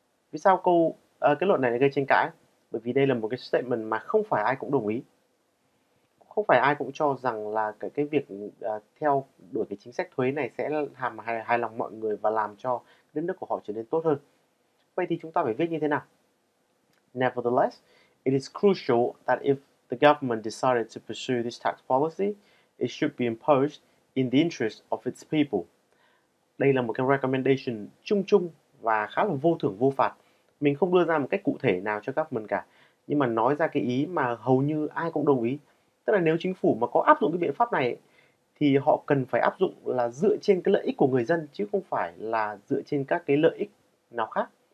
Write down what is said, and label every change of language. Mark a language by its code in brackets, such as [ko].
[vi] Vì sao kết luận này lại gây tranh cãi? Bởi vì đây là một cái statement mà không phải ai cũng đồng ý. Không phải ai cũng cho rằng là cái việc theo đuổi cái chính sách thuế này sẽ làm hài lòng mọi người và làm cho đất nước của họ trở nên tốt hơn. Vậy thì chúng ta phải viết như thế nào? [en] Nevertheless, it is crucial that if the government decided to pursue this tax policy, it should be imposed in the interest of its people. [vi] Đây là một cái recommendation chung chung và khá là vô thưởng vô phạt. Mình không đưa ra một cách cụ thể nào cho government cả, nhưng mà nói ra cái ý mà hầu như ai cũng đồng ý. Tức là nếu chính phủ mà có áp dụng cái biện pháp này thì họ cần phải áp dụng là dựa trên cái lợi ích của người dân, chứ không phải là dựa trên các cái lợi ích nào khác.